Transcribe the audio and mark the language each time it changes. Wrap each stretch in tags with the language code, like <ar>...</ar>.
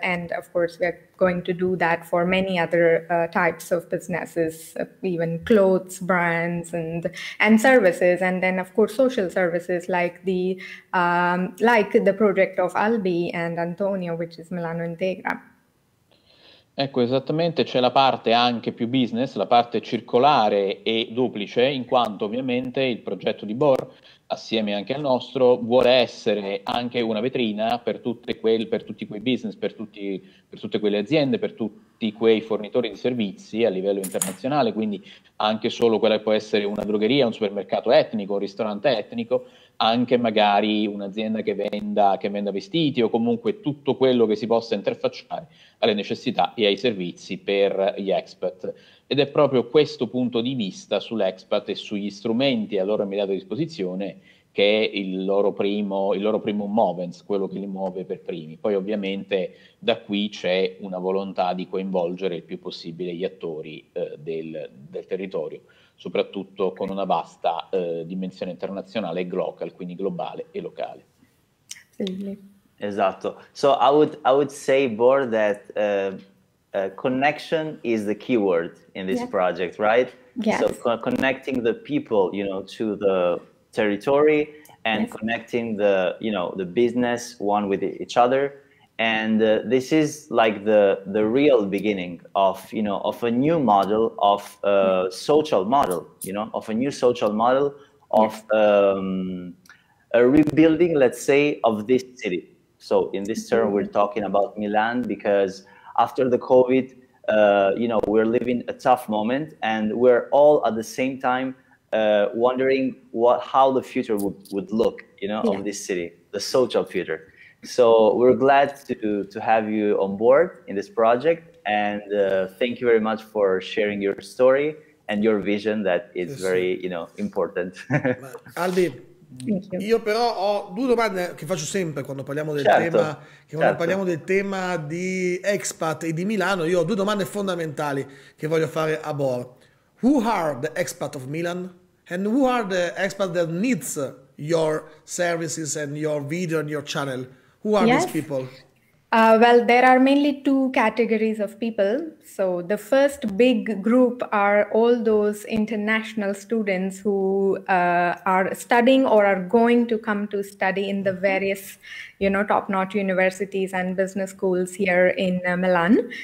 <en>And of course, we're going to do that for many other types of businesses, even clothes brands and services. And then, of course, social services like the project of Albi and Antonio, which is Milano Integra.</en> <it>Ecco, esattamente, c'è la parte anche più business, la parte circolare e duplice, in quanto ovviamente il progetto di Bor, assieme anche al nostro, vuole essere anche una vetrina per tutte per tutti quei business, per tutte quelle aziende, per tutti quei fornitori di servizi a livello internazionale, quindi anche solo quella che può essere una drogheria, un supermercato etnico, un ristorante etnico, anche magari un'azienda che venda vestiti o comunque tutto quello che si possa interfacciare alle necessità e ai servizi per gli expat. Ed è proprio questo punto di vista sull'expat e sugli strumenti a loro immediata disposizione che è il loro primo movens, quello che li muove per primi. Poi ovviamente da qui c'è una volontà di coinvolgere il più possibile gli attori del territorio, soprattutto con una vasta dimensione internazionale e global, quindi globale e locale.</it> <en>Exactly. So I would say, Bor, that connection is the key word in this project, right? So connecting the people, to the territory and connecting the business one with each other. And this is like the real beginning of, of a new model of social model, of a new social model of a rebuilding, let's say, of this city. So in this term, we're talking about Milan because after the COVID, we're living a tough moment and we're all at the same time wondering how the future would look, of this city, the social future. So we're glad to have you on board in this project and thank you very much for sharing your story and your vision that is</en> <it>Sì.</it> <en>very, important.</en> <it>Ma, Albi, io però ho due domande che faccio sempre quando parliamo del tema, Certo, che quando parliamo certo. del tema di expat e di Milano, io ho due domande fondamentali che voglio fare a Bor.</it> <en>Who are the expat of Milan? And who are the expat that needs your services and your video and your channel? Who are these Yes. people? Well, there are mainly two categories of people. So the first big group are all those international students who are studying or are going to come to study in the various, top-notch universities and business schools here in Milan.</en>